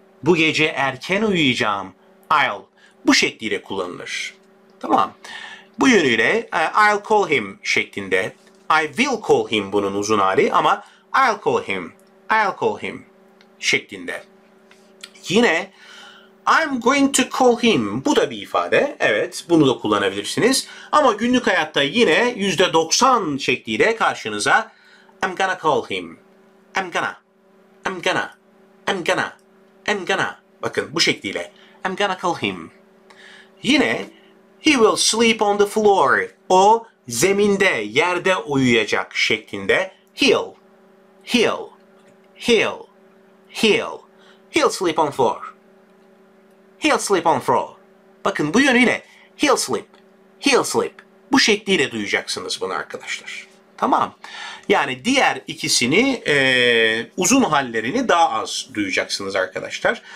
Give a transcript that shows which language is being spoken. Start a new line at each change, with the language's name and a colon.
Turkish: Bu gece erken uyuyacağım. I'll. Bu şekliyle kullanılır. Tamam. Bu yönüyle
English: I'll call him
Turkish: şeklinde.
English: I will call him
Turkish: bunun uzun hali ama
English: I'll call him. I'll call him şeklinde. Yine I'm going to call him.
Turkish: Bu da bir ifade. Evet, bunu da kullanabilirsiniz. Ama günlük hayatta yine %90 şekliyle karşınıza
English: I'm gonna call him. I'm gonna. I'm gonna. I'm gonna. I'm gonna.
Turkish: Bakın bu şekliyle.
English: I'm gonna call him. Yine he will sleep on the floor.
Turkish: O zeminde, yerde uyuyacak şeklinde.
English: He'll. He'll. He'll. He'll. He'll sleep on the floor. He'll sleep on floor.
Turkish: Bakın bu yönüyle
English: he'll sleep, he'll sleep.
Turkish: Bu şekliyle duyacaksınız bunu arkadaşlar. Tamam. Yani diğer ikisini uzun hallerini daha az duyacaksınız arkadaşlar.